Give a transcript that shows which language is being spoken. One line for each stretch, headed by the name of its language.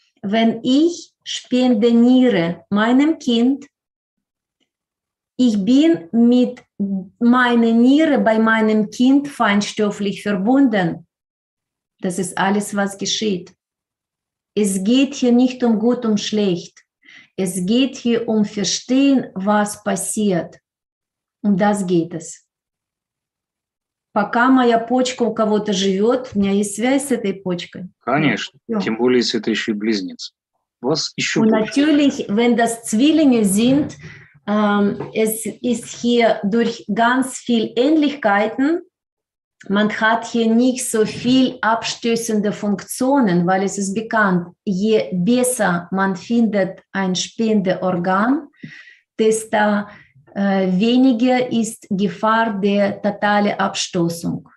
German: Wenn ich spende Niere meinem Kind, ich bin mit meiner Niere bei meinem Kind feinstofflich verbunden. Das ist alles, was geschieht. Es geht hier nicht um gut und schlecht. Es geht hier um verstehen, was passiert. Um das geht es.
Russian: Пока моя почка у кого-то живет, у меня есть связь с этой почкой. Конечно. Тем более, если это еще и близнец.
German: Was
Russian: еще?
German: Natürlich, wenn das Zwillinge sind, es ist hier durch ganz viel Ähnlichkeiten. Man hat hier nicht so viel abstößende Funktionen, weil es ist bekannt, je besser man findet ein Spendeorgan, desto weniger ist Gefahr der totalen Abstoßung.